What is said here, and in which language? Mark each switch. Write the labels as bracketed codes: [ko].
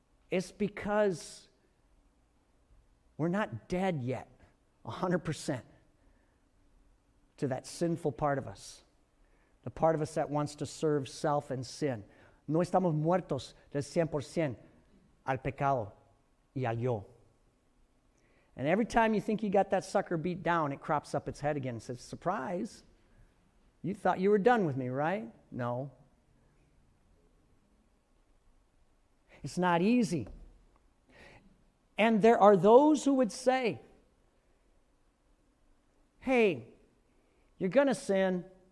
[en] It's because we're not dead yet, 100%, to that sinful part of us, the part of us that wants to serve self and sin. [es] No estamos muertos del 100% al pecado y al yo. [en] And every time you think you got that sucker beat down, it crops up its head again and says, surprise, you thought you were done with me, right? No. It's not easy. And there are those who would say, hey, you're going to sin.